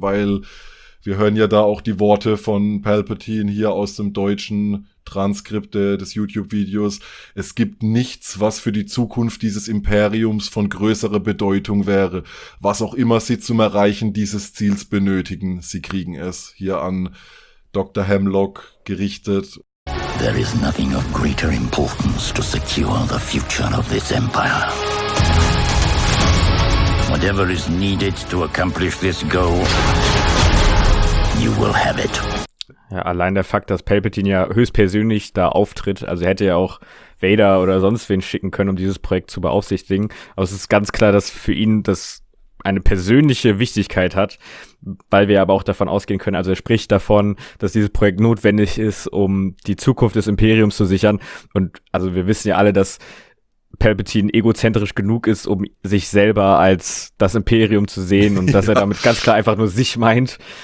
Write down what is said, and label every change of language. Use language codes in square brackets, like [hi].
[de] Weil wir hören ja da auch die Worte von Palpatine hier aus dem deutschen Transkripte des YouTube-Videos. Es gibt nichts, was für die Zukunft dieses Imperiums von größerer Bedeutung wäre. Was auch immer sie zum Erreichen dieses Ziels benötigen, sie kriegen es. Hier an Dr. Hemlock gerichtet. [en] There is nothing of greater importance to secure the future of this empire. Whatever is needed to accomplish this goal, you will have it. [de] Ja, allein der Fakt, dass Palpatine ja höchstpersönlich da auftritt, also er hätte ja auch Vader oder sonst wen schicken können, um dieses Projekt zu beaufsichtigen, aber es ist ganz klar, dass für ihn das eine persönliche Wichtigkeit hat, weil wir aber auch davon ausgehen können, also er spricht davon, dass dieses Projekt notwendig ist, um die Zukunft des Imperiums zu sichern, und also wir wissen ja alle, dass Palpatine egozentrisch genug ist, um sich selber als das Imperium zu sehen, und dass er damit ganz klar einfach nur sich meint.